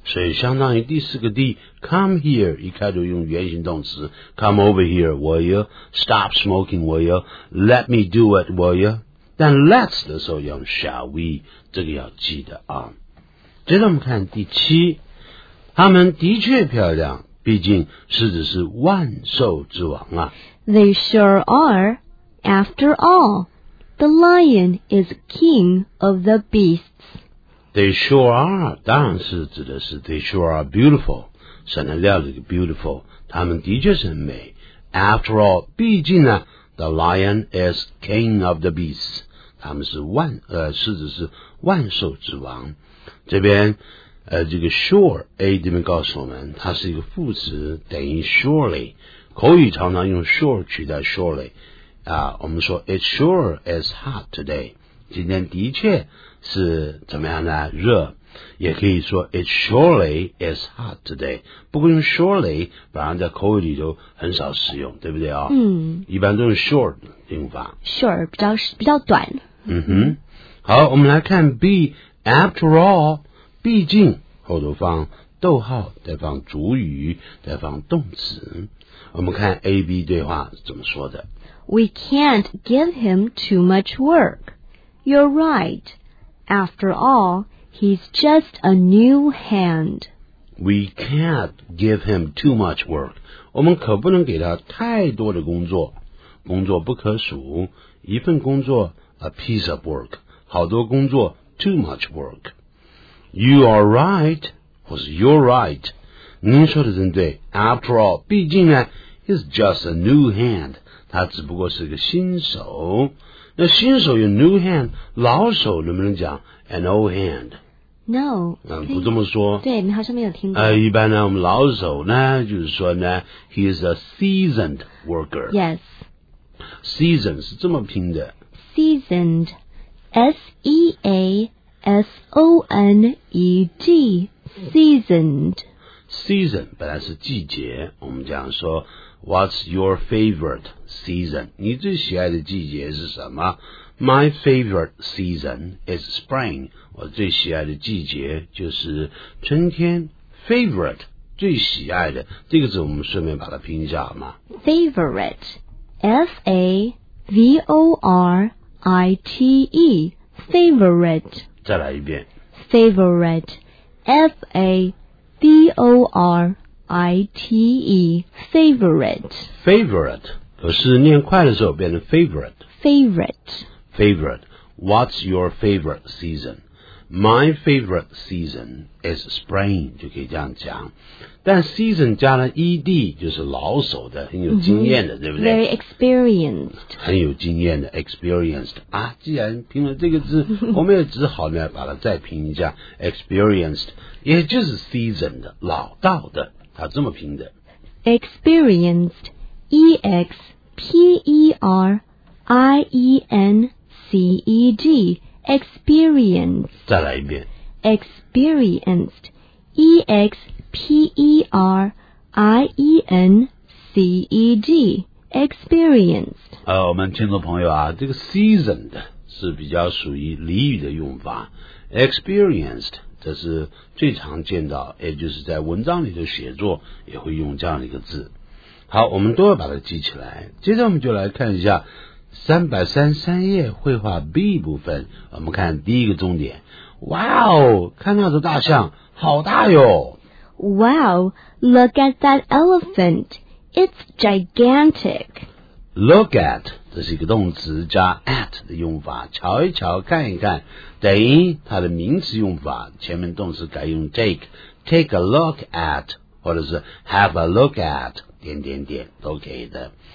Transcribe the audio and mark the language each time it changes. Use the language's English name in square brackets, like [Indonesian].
[Chinese] 所以相当于第四个 D， [English] come here， [Chinese] 一开头用原形动词， [English] come over here, will you? Stop smoking, will you? Let me do it, will you? [Chinese] 但 [English] let's [Chinese] 的时候用 [English] shall we， [Chinese] 这个要记得啊。接着我们看第七，他们的确漂亮，毕竟狮子是万兽之王啊。 [English] They sure are, after all, the lion is king of the beasts. They sure are， [Chinese] 当然是指的是 [English] They sure are beautiful， [Chinese] 省得料理 beautiful， 他们的确是很美。 [English] After all， [Chinese] 毕竟呢 [English] The lion is king of the beasts， [Chinese] 他们是狮子是万兽之王。这边这个 sure， A 这边告诉我们它是一个副词，等于 surely， 口语常常用 sure 取代 surely 啊，我们说 [English] It sure is hot today， [Chinese] 今天的确是怎么样呢？热，也可以说 [English] It surely is hot today， [Chinese] 不过用 surely 反而在口语里头很少使用，对不对啊？一般都是 short 用法， sure 比较短。好，我们来看 B， [English] after all， [Chinese] 毕竟后头放逗号，再放主语，再放动词。我们看 AB 对话怎么说的。 [English] We can't give him too much work. You're right. After all, he's just a new hand. We can't give him too much work. [Chinese] 我们可不能给他太多的工作。工作不可数。一份工作 , [English] a piece of work. [Chinese] 好多工作 , [English] too much work. You are right, 或是 you're right. [Chinese] 您说的真对。 [English] After all, [Chinese] 毕竟呢 [English] ,he's just a new hand. [Chinese] 他只不过是个新手。那新手有 [English] new hand, [Chinese] 老手能不能讲 [English] an old hand? No, [Chinese] 不这么说。对，你好像没有听过。一般呢，我们老手呢，就是说呢 ， [English] he is a seasoned worker. Yes, [Chinese] season 是这么拼的。 [English] Seasoned, S-E-A-S-O-N-E-D, seasoned. [Chinese] Season 本来是季节，我们讲说 ， [English] What's your favorite season? [Chinese] 你最喜爱的季节是什么？ [English] My favorite season is spring. [Chinese] 我最喜爱的季节就是春天。 Favorite, 最喜爱的。这个字我们顺便把它拼一下好吗 [English] ?Favorite, F-A-V-O-R-I-T-E, favorite. [Chinese] 再来一遍。 [English] Favorite, F-A-V-O-R-I-T-E, favorite. [Chinese] Favorite, 可是念快的时候变成 favorite. [English] Favorite. Favorite. What's your favorite season? My favorite season is spring. [Chinese] 就可以这样讲。但 season 加了 ed 就是老手的，很有经验的，对不对？ [English] Very experienced. [Chinese] 很有经验的 experienced. 啊，既然拼了这个字，我们也只好呢把它再拼一下 experienced. 也就是 season 的老道的，它这么拼的。 [English] Experienced. E-X-P-E-R. I-E-N-C-E-D, experienced. [Chinese] 再来一遍。 [English] Experienced, E-X-P-E-R-I-E-N-C-E-D, experienced. [Chinese] 我们听众朋友啊，这个 seasoned 是比较属于俚语的用法。 Experienced, 这是最常见到，也就是在文章里的写作也会用这样的一个字。好，我们都要把它记起来。接着我们就来看一下333页绘画 B 部分，我们看第一个重点。哇哦，看那头大象，好大哟。 [English] Wow, look at that elephant. It's gigantic. Look at, [Chinese] 这是一个动词加 at 的用法，瞧一瞧，看一看，等于它的名词用法，前面动词改用 take, [English] take a look at, [Chinese] 或者是 [English] have a look at, [Chinese] 点点点，都可以的。